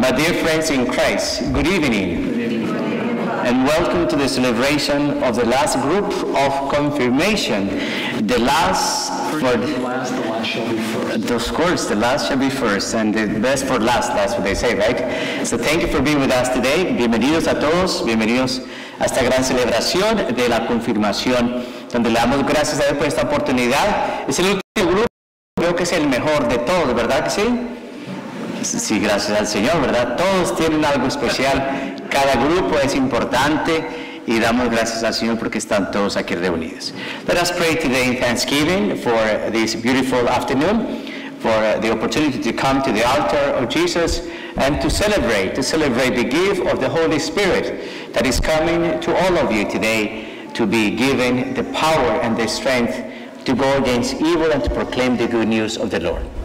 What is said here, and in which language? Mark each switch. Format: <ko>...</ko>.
<en>My dear friends in Christ, good evening. Good evening. And welcome to the celebration of the last group of confirmation. The last for the last shall be first. Of course, the last shall be first, and the best for last, that's what they say, right? So thank you for being with us today.</en> <es>Bienvenidos a todos, bienvenidos a esta gran celebración de la confirmación, donde le damos gracias a Dios por esta oportunidad. Es el último grupo, creo que es el mejor de todos, ¿verdad que sí? Sí, gracias al Señor, ¿verdad? Todos tienen algo especial, cada grupo es importante, y damos gracias al Señor porque están todos aquí reunidos.</es> <en>Let us pray today in thanksgiving for this beautiful afternoon, for the opportunity to come to the altar of Jesus and to celebrate the gift of the Holy Spirit that is coming to all of you today to be given the power and the strength to go against evil and to proclaim the good news of the Lord.</en>